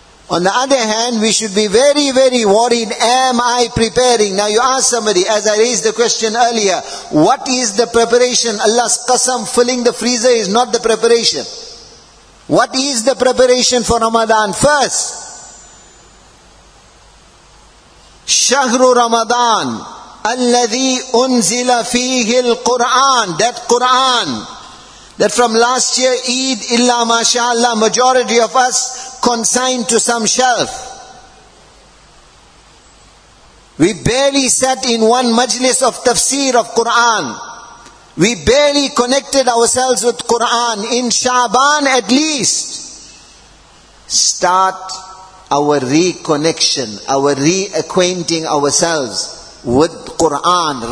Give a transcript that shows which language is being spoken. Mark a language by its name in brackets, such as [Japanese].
[English] On the other hand, we should be very, very worried. Am I preparing? Now you ask somebody, as I raised the question earlier, what is the preparation? Allah's qasam, filling the freezer is not the preparation. What is the preparation for Ramadan? [Arabic] First, Shahru Ramadan, الَّذِي أُنزِلَ فِيهِ الْقُرْآنِ. [English] That Qur'an that from last year, Eid, illa mashallah, majority of us consigned to some shelf. We barely sat in one majlis of tafsir of Qur'an. We barely connected ourselves with Qur'an. In Shaban at least, start our reconnection, our reacquainting ourselves with Qur'an.